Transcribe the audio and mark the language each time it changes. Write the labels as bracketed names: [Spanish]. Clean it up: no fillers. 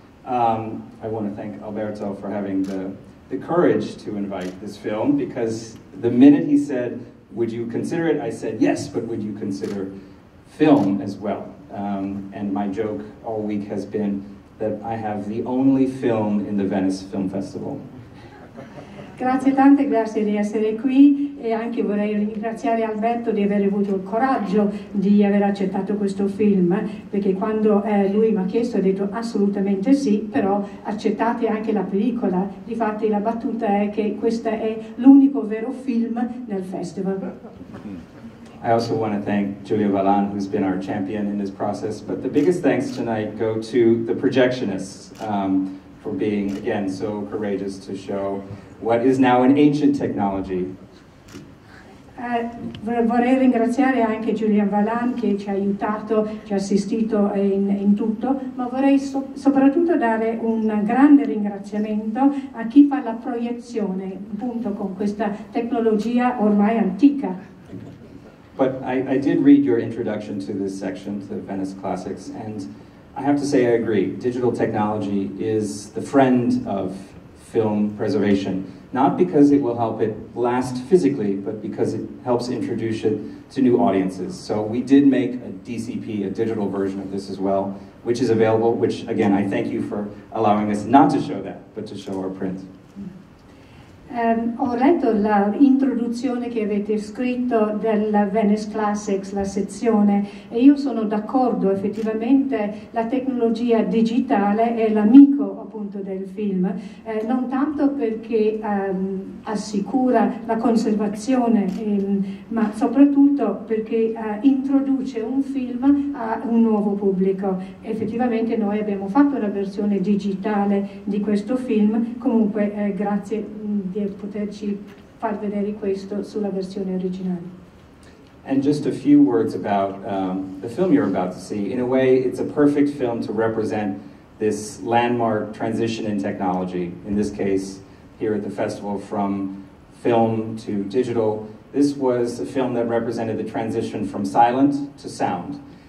[English] I want to thank Alberto for having the courage to invite this film, because the minute he said, would you consider it? I said, yes, but would you consider film as well? And my joke all week has been that I have the only film in the Venice Film Festival. [Italian] Grazie tante, grazie di essere qui, e anche vorrei ringraziare Alberto di aver avuto il coraggio di aver accettato questo film, perché quando lui mi ha chiesto ha detto assolutamente sì, però accettate anche la pellicola. Difatti la battuta è che questo è l'unico vero film nel festival. [English] I also want to thank Julia Vallan, who's been our champion in this process, but the biggest thanks tonight go to the projectionists for being again so courageous to show what is now an ancient technology. [Italian] Vorrei ringraziare anche Julian Vallan che ci ha aiutato, ci ha assistito in tutto, ma vorrei soprattutto dare un grande ringraziamento a chi fa la proiezione, appunto con questa tecnologia ormai antica. [English] But I did read your introduction to this section, to Venice Classics, and I have to say I agree. Digital technology is the friend of film preservation, not because it will help it last physically, but because it helps introduce it to new audiences. So we did make a DCP, a digital version of this as well, which is available, which again, I thank you for allowing us not to show that, but to show our print. [Italian] Ho letto l'introduzione che avete scritto della Venice Classics, la sezione, e io sono d'accordo, effettivamente la tecnologia digitale è l'amico appunto del film, non tanto perché assicura la conservazione, ma soprattutto perché introduce un film a un nuovo pubblico. Effettivamente noi abbiamo fatto una versione digitale di questo film, comunque grazie di poterci far vedere questo sulla versione originale. [English] And just a few words about the film you're about to see. In a way, it's a perfect film to represent this landmark transition in technology. In this case, here at the festival, from film to digital. This was a film that represented the transition from silent to sound.